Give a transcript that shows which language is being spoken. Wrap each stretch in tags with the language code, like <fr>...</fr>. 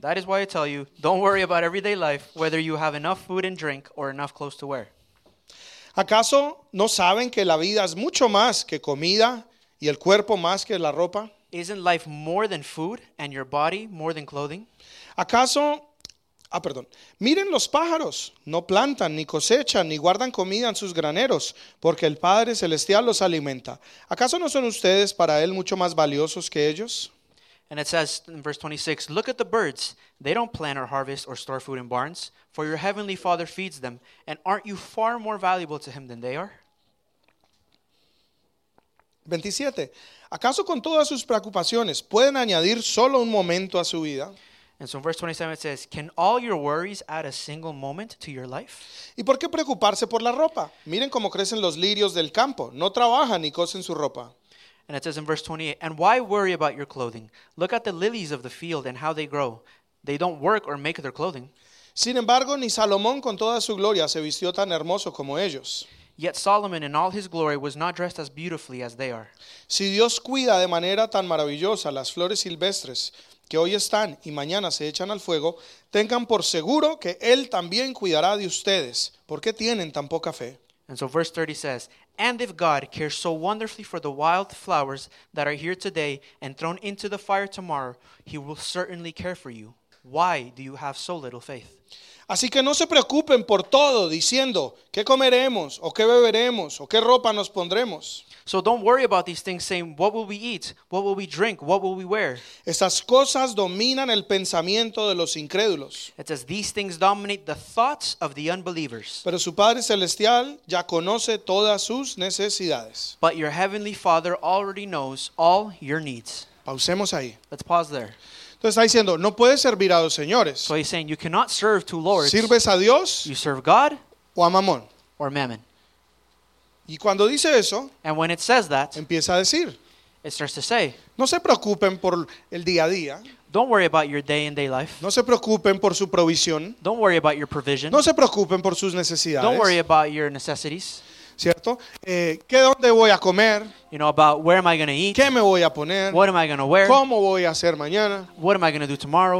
<en>That is why I tell you, don't worry about everyday life, whether you have enough food and drink or enough clothes to wear.</en> <es>¿Acaso no saben que la vida es mucho más que comida y el cuerpo más que la ropa?</es> <en>Isn't life more than food and your body more than clothing?</en> <es>¿Acaso? Ah, perdón. Miren los pájaros. No plantan, ni cosechan, ni guardan comida en sus graneros, porque el Padre Celestial los alimenta. ¿Acaso no son ustedes para Él mucho más valiosos que ellos?</es> <en>And it says in verse 26, look at the birds. They don't plant or harvest or store food in barns, for your heavenly Father feeds them. And aren't you far more valuable to Him than they are? 27.</en> <es>¿Acaso con todas sus preocupaciones pueden añadir solo un momento a su vida?</es> <en>And so in verse 27 it says, can all your worries add a single moment to your life?</en> <es>¿Y por qué preocuparse por la ropa? Miren cómo crecen los lirios del campo. No trabajan ni cosen su ropa.</es> <en>And it says in verse 28, and why worry about your clothing? Look at the lilies of the field and how they grow. They don't work or make their clothing.</en> <es>Sin embargo, ni Salomón con toda su gloria se vistió tan hermoso como ellos.</es> <en>Yet Solomon in all his glory was not dressed as beautifully as they are.</en> <es>Si Dios cuida de manera tan maravillosa las flores silvestres que hoy están y mañana se echan al fuego, tengan por seguro que Él también cuidará de ustedes. ¿Por qué tienen tan poca fe?</es> <en>And so verse 30 says, and if God cares so wonderfully for the wild flowers that are here today and thrown into the fire tomorrow, He will certainly care for you. Why do you have so little faith?</en> <es>Así que no se preocupen por todo, diciendo, ¿qué comeremos? ¿O qué beberemos? ¿O qué ropa nos pondremos?</es> <en>So don't worry about these things, saying, what will we eat? What will we drink? What will we wear?</en> <es>Esas cosas dominan el pensamiento de los incrédulos.</es> <en>It says, these things dominate the thoughts of the unbelievers.</en> <es>Pero su Padre Celestial ya conoce todas sus necesidades.</es> <en>But your Heavenly Father already knows all your needs.</en> <es>Pausemos ahí.</es> <en>Let's pause there.</en> <es>Entonces está diciendo, no puedes servir a dos señores.</es> <en>So he's saying, you cannot serve two lords.</en> <es>¿Sirves a Dios?</es> <en>You serve God.</en> <es>¿O a Mamón?</es> <en>Or Mammon.</en> <es>Y cuando dice eso,</es> <en>and when it says that,</en> <es>empieza a decir,</es> <en>it starts to say,</en> <es>no se preocupen por el día a día.</es> <en>Don't worry about your day and day life.</en> <es>No se preocupen por su provisión.</es> <en>Don't worry about your provision.</en> <es>No se preocupen por sus necesidades.</es> <en>Don't worry about your necessities.</en> <es>¿Cierto? ¿Qué dónde voy a comer?</es> <en>You know, about where am I going to eat?</en> <es>¿Qué me voy a poner?</es> <en>What am I going to wear?</en> <es>¿Cómo voy a hacer mañana?</es> <en>What am I going to do tomorrow?</en>